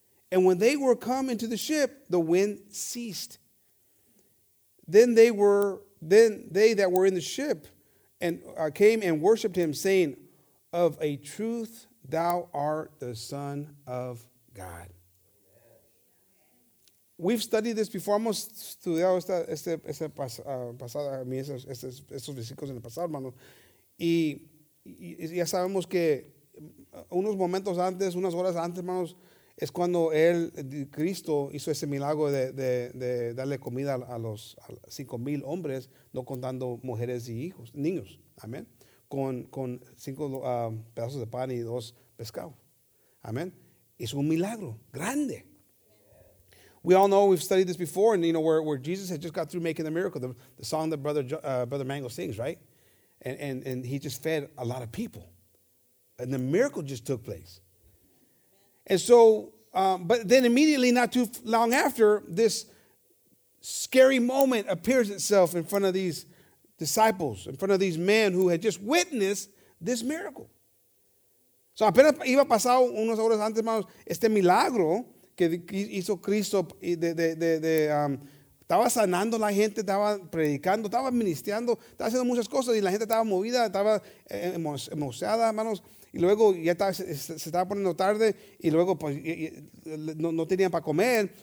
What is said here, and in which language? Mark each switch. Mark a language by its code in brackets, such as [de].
[en] And when they were come into the ship, the wind ceased. Then they that were in the ship and came and worshipped him, saying, Of a truth thou art the Son of God. We've studied this before. [es] Hemos estudiado estos versículos en el pasado, hermano. Y ya sabemos que unos momentos antes, unas horas antes, hermanos, es cuando él, Cristo, hizo ese milagro de darle comida a 5,000 hombres, no contando mujeres y hijos, niños, amén, con 5 pedazos de pan y 2 pescados, amén. Es un milagro grande. [en] We all know, we've studied this before, and you know where Jesus had just got through making the miracle, the song that Brother Mango sings, right? And he just fed a lot of people. And the miracle just took place. And so, but then immediately, not too long after, this scary moment appears itself in front of these disciples, in front of these men who had just witnessed this miracle. [es] So apenas iba pasado unos horas antes, hermanos, este milagro que hizo Cristo estaba sanando la gente, estaba predicando, estaba ministrando, estaba haciendo muchas cosas y la gente estaba movida, estaba emocionada, hermanos. Y luego ya se estaba poniendo tarde y luego pues no tenían para comer.